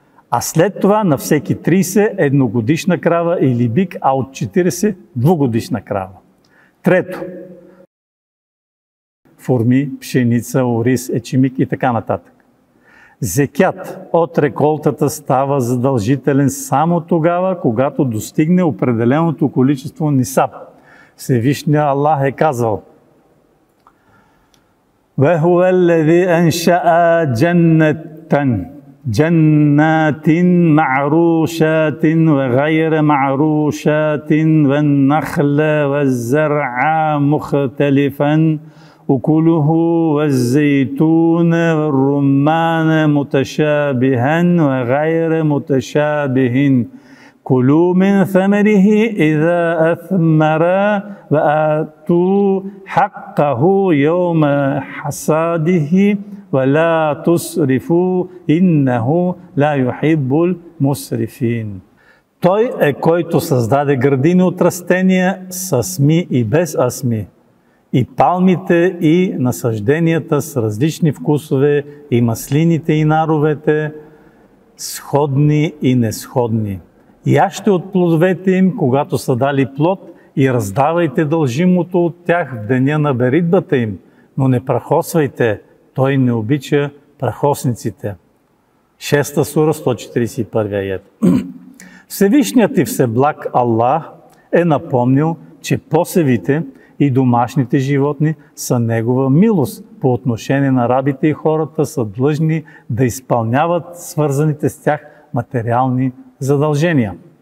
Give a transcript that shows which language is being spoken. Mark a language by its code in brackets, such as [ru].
[bg] А след това на всеки 30 – едногодишна крава или бик, а от 40 – двугодишна крава. Трето – фурми, пшеница, ориз, ечемик и така нататък. Зекят от реколтата става задължителен само тогава, когато достигне определеното количество нисап. Всевишния Аллах е казал [ar] – وَهُوَ الَّذِي أَنْشَأَ جَنَّةً جَنَّاتٍ مَعْرُوشَاتٍ وَغَيْرَ مَعْرُوشَاتٍ وَالنَّخْلَ وَالزَّرْعَ مُخْتَلِفًا أُكُلُهُ وَالزَّيْتُونَ وَالرُّمَّانَ مُتَشَابِهًا وَغَيْرَ مُتَشَابِهٍ كُلُوا مِنْ ثَمَرِهِ إِذَا أَثْمَرَا وَآتُوا حَقَّهُ يَوْمَ حَصَادِهِ وَلَا تُسْرِفُوا إِنَّهُ لَا يُحِبُّ الْمُسْرِفِينَ [bg] Той е, който създаде градини от растения с асми и без асми, и палмите, и насажденията с различни вкусове, и маслините, и наровете, сходни и несходни. Яжте от плодовете им, когато са дали плод, и раздавайте дължимото от тях в деня на беритбата им, но не прахосвайте, той не обича прахосниците. 6 сура, 141 аят. Всевишният и Всеблаг Аллах е напомнил, че посевите и домашните животни са негова милост по отношение на рабите и хората са длъжни да изпълняват свързаните с тях материални задължения.